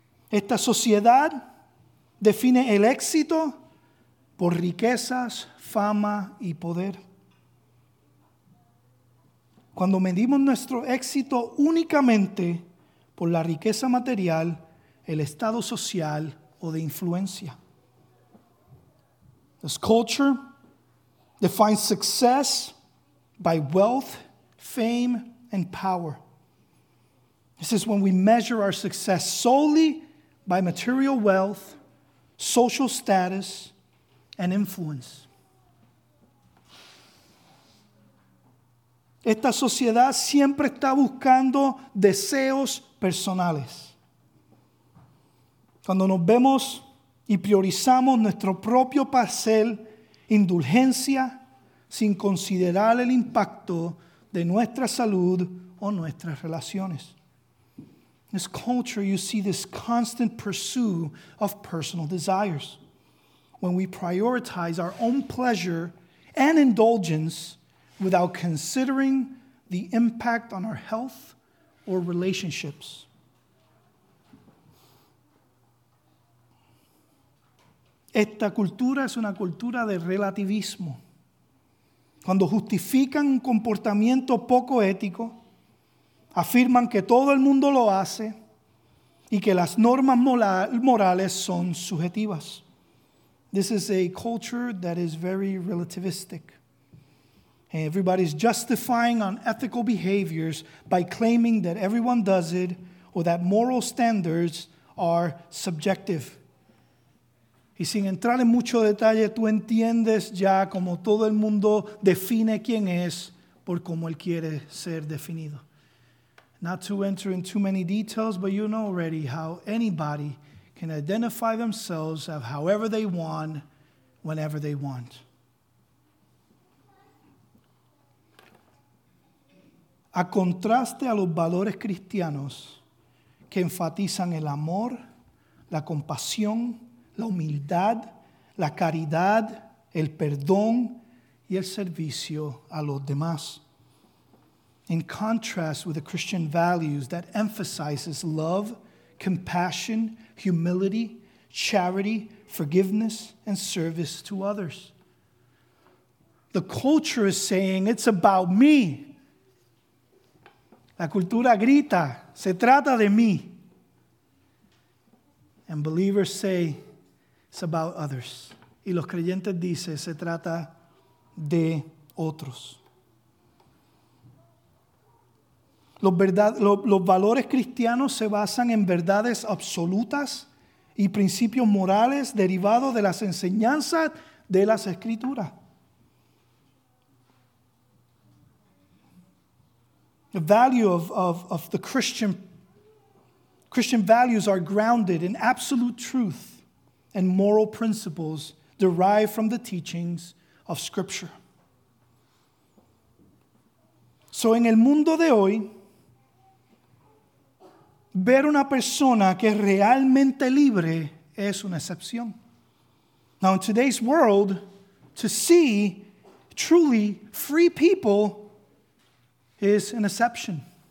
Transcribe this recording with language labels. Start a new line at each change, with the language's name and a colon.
Spanish: Esta sociedad define el éxito por riquezas, fama y poder. Cuando medimos nuestro éxito únicamente por la riqueza material, el estado social o de influencia.
English: This culture defines success by wealth, fame, and power. This is when we measure our success solely by material wealth, social status, and influence.
Spanish: Esta sociedad siempre está buscando deseos personales. Cuando nos vemos y priorizamos nuestro propio placer, indulgencia, sin considerar el impacto de nuestra salud o nuestras relaciones.
English: In this culture, you see this constant pursuit of personal desires. When we prioritize our own pleasure and indulgence without considering the impact on our health or relationships.
Spanish: Esta cultura es una cultura de relativismo. Cuando justifican un comportamiento poco ético, afirman que todo el mundo lo hace y que las normas morales son subjetivas.
English: This is a culture that is very relativistic. Everybody is justifying unethical behaviors by claiming that everyone does it or that moral standards are subjective.
Spanish: Y sin entrar en mucho detalle, tú entiendes ya como todo el mundo define quién es por cómo él quiere ser definido.
English: Not to enter in too many details, but you know already how anybody can identify themselves of however they want, whenever they want.
Spanish: A contraste a los valores cristianos que enfatizan el amor, la compasión, la humildad, la caridad, el perdón y el servicio a los demás.
English: In contrast with the Christian values that emphasizes love, compassion, humility, charity, forgiveness, and service to others. The culture is saying, it's about me.
Spanish: La cultura grita, se trata de mí.
English: And believers say, it's about others.
Spanish: Y los creyentes dicen, se trata de otros. Los valores cristianos se basan en verdades absolutas y principios morales derivados de las enseñanzas de las Escrituras.
English: The value of the Christian values are grounded in absolute truth and moral principles derived from the teachings of Scripture.
Spanish: So en el mundo de hoy, ver una persona que es realmente libre es una excepción.
English: Now, in today's world, to see truly free people is an exception.